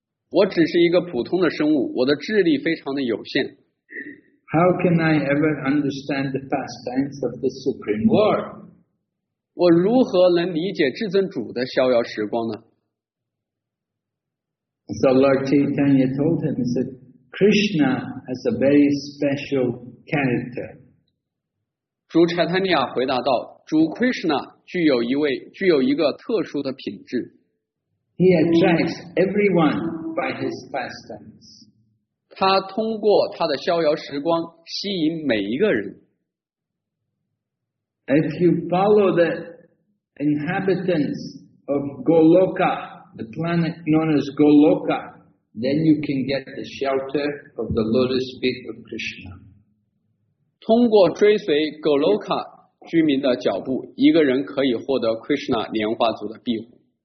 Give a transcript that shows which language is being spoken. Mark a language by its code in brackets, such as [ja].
[zh] 我只是一个普通的生物，我的智力非常的有限。 [en] How can I ever understand the pastimes of the Supreme Lord? [zh] 我如何能理解至尊主的逍遥时光呢？ [en] So Lord Chaitanya told him, he said, Krishna has a very special character. [zh] 主 Chaitanya 回答道，主 Krishna 具有一个特殊的品质。 [en] He attracts everyone by his pastimes. [zh] 他通过他的逍遥时光吸引每一个人。 [en] If you follow the inhabitants of Goloka, the planet known as Goloka, then you can get the shelter of the lotus feet of Krishna. [zh] 通过追随 Goloka 居民的脚步，一个人可以获得 Krishna 莲花族的庇护。